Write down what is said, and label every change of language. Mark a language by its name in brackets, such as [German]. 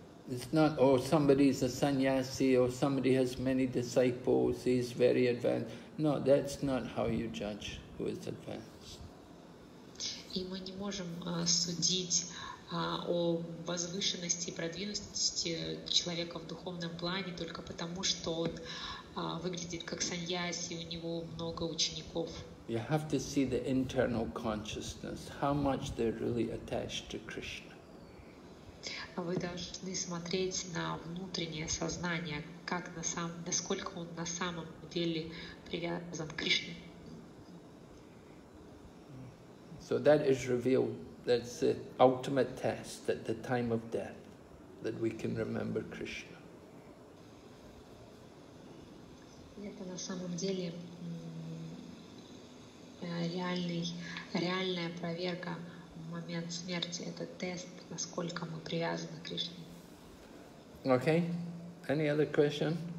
[English] It's not, oh, somebody is a sannyasi, or somebody has many disciples, he's very advanced. No, that's not how you judge who is advanced. [Russian] И мы не можем судить о возвышенности и продвинутости человека в духовном плане только потому, что он выглядит как сannyasi, у него много учеников. [English] You have to see the internal consciousness, how much they're really attached to Krishna. [Russian] Вы должны смотреть на внутреннее сознание, как на самом, насколько он на самом деле привязан к Кришне. [English] So that is revealed, that's the ultimate test at the time of death, that we can remember Krishna. [Russian] Это на самом деле реальная проверка в момент смерти, это тест, насколько мы привязаны к Кришне. [English] Okay. Any other question?